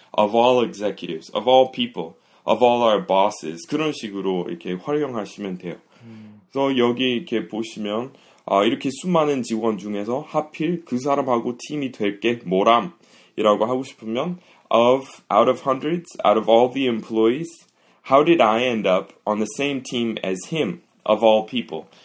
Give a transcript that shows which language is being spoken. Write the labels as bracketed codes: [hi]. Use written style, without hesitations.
[en] Of all executives, of all people, of all our bosses. [ko] 그런 식으로 이렇게 활용하시면 돼요. 그래서 여기 이렇게 보시면 이렇게 수많은 직원 중에서 하필 그 사람하고 팀이 될 게 뭐람? 이라고 하고 싶으면 [en] of, out of hundreds, out of all the employees, how did I end up on the same team as him, of all people?